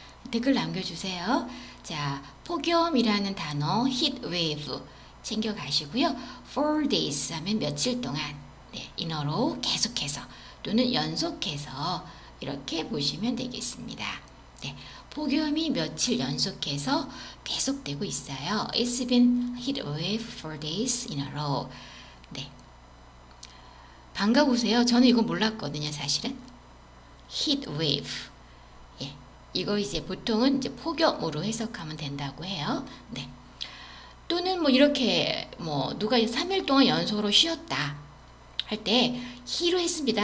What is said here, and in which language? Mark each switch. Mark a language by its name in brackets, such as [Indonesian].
[Korean] 댓글 남겨주세요. 자, 폭염이라는 단어, heat wave 챙겨가시고요. 4 days 하면 며칠 동안, 네, in a row 계속해서 또는 연속해서 이렇게 보시면 되겠습니다. 네, 폭염이 며칠 연속해서 계속되고 있어요. [English] It's been heat wave 4 days in a row. [Korean] 네, 반가우세요. 저는 이거 몰랐거든요, 사실은. [English] heat wave. [Korean] 이거 이제 보통은 이제 폭염으로 해석하면 된다고 해요. 네. 또는 뭐 이렇게 뭐 누가 3일 동안 연속으로 쉬었다 할때 he로 했습니다.